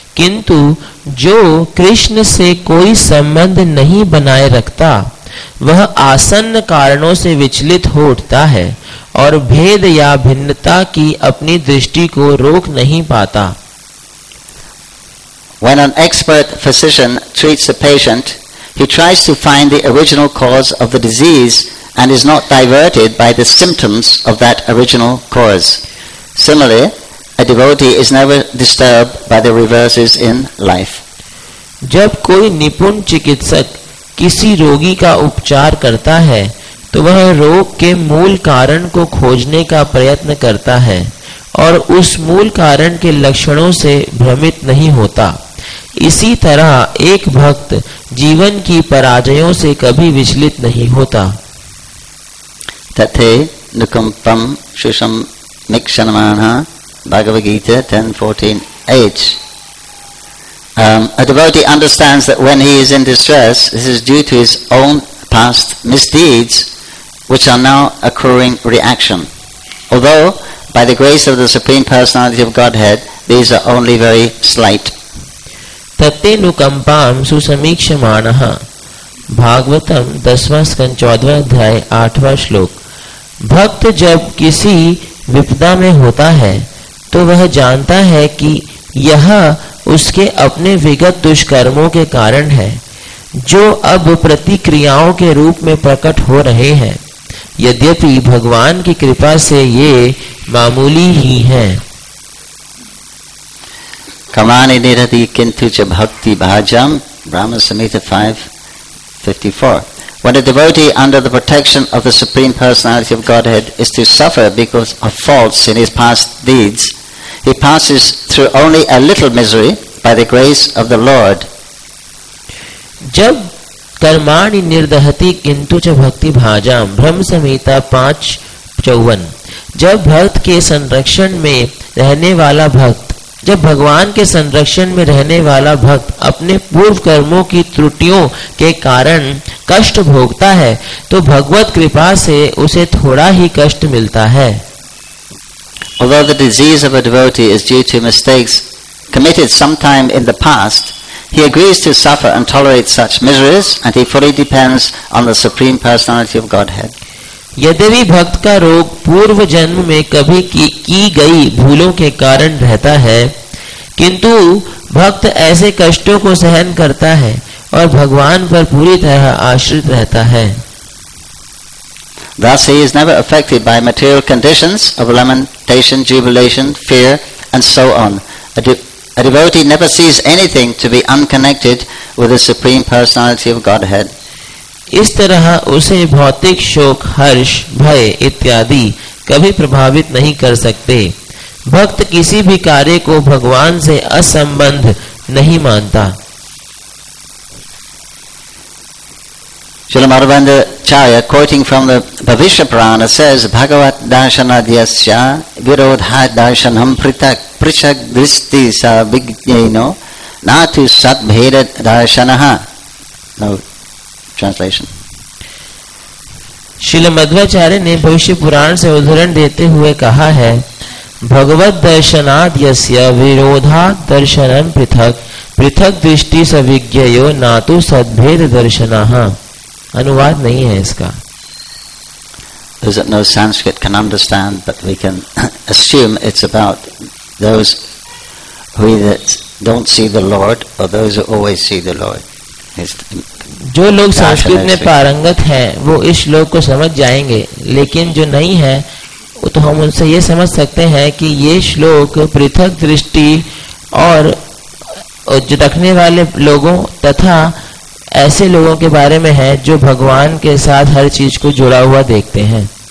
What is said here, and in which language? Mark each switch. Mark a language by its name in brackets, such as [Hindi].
[Hindi] किंतु जो कृष्ण से कोई संबंध नहीं बनाए रखता वह आसन्न कारणों से विचलित हो उठता है और भेद या भिन्नता की अपनी दृष्टि को रोक नहीं पाता। [English] When an expert physician treats a patient, he tries to find the original cause of the disease and is not diverted by the symptoms of that original cause. Similarly, a devotee is never disturbed by the reverses in life. [Hindi] जब कोई निपुण चिकित्सक किसी रोगी का उपचार करता है, तो वह रोग के मूल कारण को खोजने का प्रयत्न करता है और उस मूल कारण के लक्षणों से भ्रमित नहीं होता। इसी तरह एक भक्त जीवन की पराजयों से कभी विचलित नहीं होता। [Sanskrit] तथे नुकंपम शुषम निक्षणमाना [English] Bhagavad Gita [Sanskrit] 10.14.8. [English] A devotee understands that when he is in distress, this is due to his own past misdeeds, which are now accruing reaction. Although, by the grace of the Supreme Personality of Godhead, these are only very slight. [Sanskrit] Tate nukampam susamikshamanaha Bhagavatam 10.14.8. [Hindi] Bhakt jab kisi vipda mein hota hai, तो वह जानता है कि यह उसके अपने विगत दुष्कर्मों के कारण है जो अब प्रतिक्रियाओं के रूप में प्रकट हो रहे हैं, यद्यपि भगवान की कृपा से ये मामूली ही हैं। [Sanskrit] कमाने निरति किंतु च भक्ति भाजम ब्राह्मण समेत 5:54. [English] When a devotee under the protection of the Supreme Personality of Godhead is to suffer because of faults in his past deeds, he passes through only a little misery by the grace of the Lord. [Hindi] जब [Sanskrit] कर्माणि निर्दहति किंतु च भक्ति भाजाम ब्रह्म संहिता 5:54। [Hindi] जब भक्त के संरक्षण में रहने वाला भक्त जब भगवान के संरक्षण में रहने वाला भक्त अपने पूर्व कर्मों की त्रुटियों के कारण कष्ट भोगता है तो भगवत कृपा से उसे थोड़ा ही कष्ट मिलता है। [English] Although the disease of a devotee is due to mistakes committed sometime in the past, he agrees to suffer and tolerate such miseries, and he fully depends on the Supreme Personality of Godhead. [Hindi] यद्यपि भक्त का रोग पूर्व जन्म में कभी की गई भूलों के कारण रहता है, किंतु भक्त ऐसे कष्टों को सहन करता है और भगवान पर पूरी तरह आश्रित रहता है। [English] Thus, he is never affected by material conditions of lamentation, jubilation, fear, and so on. A devotee never sees anything to be unconnected with the Supreme Personality of Godhead. [Hindi] इस तरह उसे भौतिक शोक, हर्ष, भय इत्यादि कभी प्रभावित नहीं कर सकते। भक्त किसी भी कार्य को भगवान से असंबंध नहीं मानता। [English] Śrīla Madhavendracārya, quoting from the Bhavishya Purāṇa, says, [Sanskrit] Bhagavat dāśanādhyasya virodhā dāśanam pṛthak pṛśak drishti sa vigyeno nātu sat bheda dāśanaha. [English] No translation. [Sanskrit] Śrīla Madhavendracārya [Hindi] ne Bhavishya Purāṇa se udharan dete huye kaha hai, [Sanskrit] Bhagavat dāśanādhyasya virodhā dāśanam pṛthak pṛthak drishti sa vigyeno nātu sat bheda dāśanaha. [Hindi] अनुवाद नहीं है इसका। [English] Those that know Sanskrit can understand, but we can assume it's about those who either don't see the Lord or those who always see the Lord. [Hindi] जो लोग संस्कृत में पारंगत हैं, वो इस श्लोक को समझ जाएंगे। लेकिन जो नहीं है, तो हम उनसे ये समझ सकते हैं कि ये श्लोक पृथक दृष्टि और रखने वाले लोगों तथा ऐसे लोगों के बारे में है जो भगवान के साथ हर चीज को जुड़ा हुआ देखते हैं।